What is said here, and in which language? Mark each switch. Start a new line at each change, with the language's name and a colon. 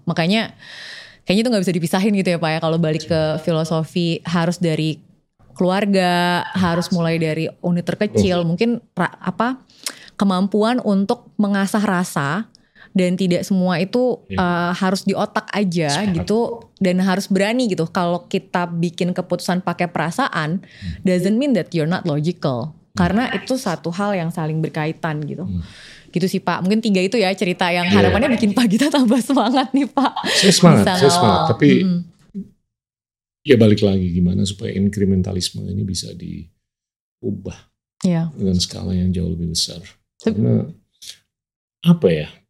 Indonesian: Makanya kayaknya itu gak bisa dipisahin gitu ya Pak ya, kalau balik ke filosofi harus dari keluarga, harus mulai dari unit terkecil, mungkin apa kemampuan untuk mengasah rasa. Dan tidak semua itu harus di otak aja gitu. Dan harus berani gitu. Kalau kita bikin keputusan pakai perasaan,
English: doesn't mean that you're not logical.
Indonesian: Karena itu satu hal yang saling berkaitan gitu. Gitu sih Pak. Mungkin tiga itu ya cerita yang harapannya bikin Pak Gita tambah semangat nih Pak. Saya semangat. Tapi ya balik lagi gimana supaya inkrementalisme ini bisa diubah. Dengan skala yang jauh lebih besar. Karena apa ya?